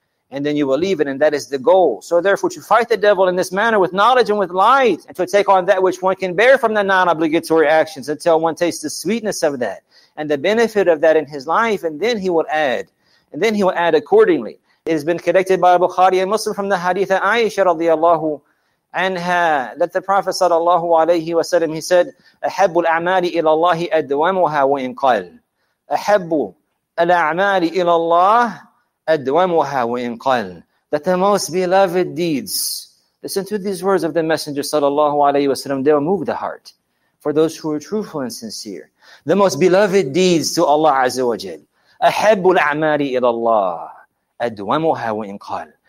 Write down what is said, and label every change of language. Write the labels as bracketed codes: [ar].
[en] And then you will leave it. And that is the goal. So therefore, to fight the devil in this manner with knowledge and with light, and to take on that which one can bear from the non-obligatory actions until one tastes the sweetness of that and the benefit of that in his life. And then he will add. And then he will add accordingly. It has been collected by Bukhari and Muslim from the hadith of Aisha radiallahu anha, that the Prophet sallallahu alayhi wa sallam, he said, [ar] أحب الأعمال إلى الله أدومها وإن قل. أحب الأعمال إلى الله أدومها وإن قل. [en] That the most beloved deeds, listen to these words of the Messenger sallallahu alayhi wa sallam, they will move the heart for those who are truthful and sincere. The most beloved deeds to Allah Azza wa Jal, [ar] أحب الأعمال إلى الله أدومها وإن قل.